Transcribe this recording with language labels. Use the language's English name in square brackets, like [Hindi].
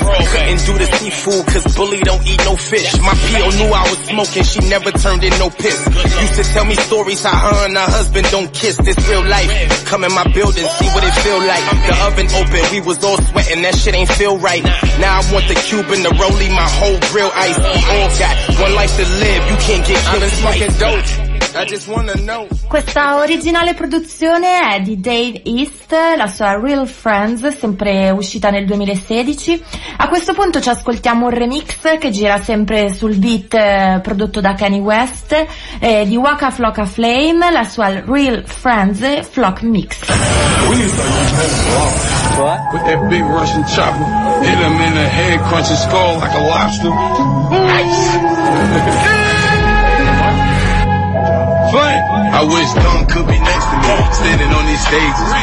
[English] Couldn't do the seafood, cause bully don't eat no fish. My PO knew I was smoking, she never turned in no piss. Used to tell me stories case how her and her husband don't kiss, this real life. Come in my building, see what it feel like. The oven open, we was all sweating, that shit ain't feel right. Now I want the cube and the rollie, my whole grill ice. We all got one life to live, you can't get killed. I'm smoking dope. I just wanna know. [Italian] Questa originale produzione è di Dave East, la sua Real Friends, sempre uscita nel 2016. A questo punto ci ascoltiamo un remix che gira sempre sul beat prodotto da Kanye West, di Waka Flocka Flame, la sua Real Friends Flock Mix. [English] Put that big Russian chopper, hit him in the head, crunch his skull like a lobster. Nice. I wish Tom could be next to me, standing on these stages.